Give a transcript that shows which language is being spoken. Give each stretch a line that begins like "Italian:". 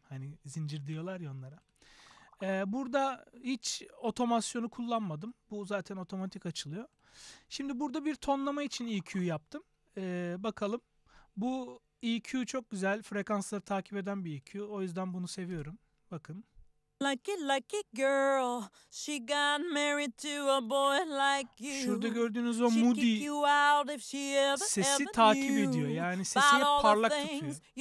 Turkish: Hani zincir diyorlar ya onlara. Burada hiç otomasyonu kullanmadım. Bu zaten otomatik açılıyor. Şimdi burada bir tonlama için EQ yaptım. Bakalım. Bu EQ çok güzel. Frekansları takip eden bir EQ. O yüzden bunu seviyorum. Bakın.
English: Lucky, lucky girl, she got married to a boy like you.
Turkish: Şurada gördüğünüz o moody sesi takip ediyor. Yani sesi hep parlak tutuyor.